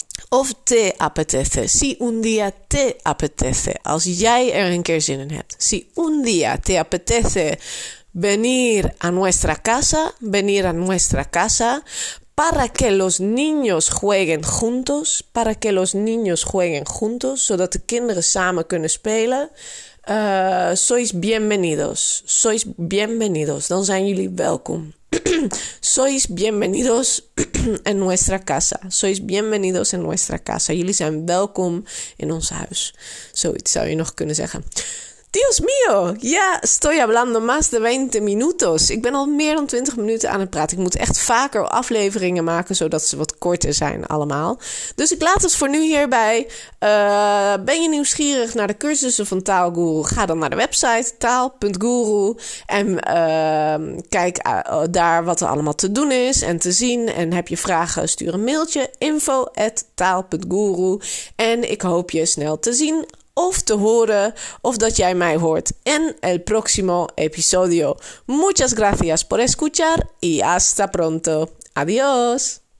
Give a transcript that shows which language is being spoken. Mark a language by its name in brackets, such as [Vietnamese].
[Spanish] Of te apetece, si un día te apetece. [Dutch] Als jij er een keer zin in hebt, [Spanish] si un día te apetece. Venir a nuestra casa, para que los niños jueguen juntos, para que los niños jueguen juntos, [Dutch] zodat de kinderen samen kunnen spelen. [Spanish] Sois bienvenidos, [Dutch] dan zijn jullie welkom. [Spanish] Sois bienvenidos en nuestra casa, sois bienvenidos en nuestra casa, [Dutch] jullie zijn welkom in ons huis. Zoiets zou je nog kunnen zeggen. [Spanish] Dios mío, ya estoy hablando más de 20 minutos. [Dutch] Ik ben al meer dan 20 minuten aan het praten. Ik moet echt vaker afleveringen maken, zodat ze wat korter zijn allemaal. Dus ik laat het voor nu hierbij. Ben je nieuwsgierig naar de cursussen van Taalguru? Ga dan naar de website taal.guru en kijk daar wat er allemaal te doen is en te zien. En heb je vragen, stuur een mailtje info@taal.guru. En ik hoop je snel te zien. Of te horen, of dat jij mij hoort [Spanish] en el próximo episodio. Muchas gracias por escuchar y hasta pronto. Adiós.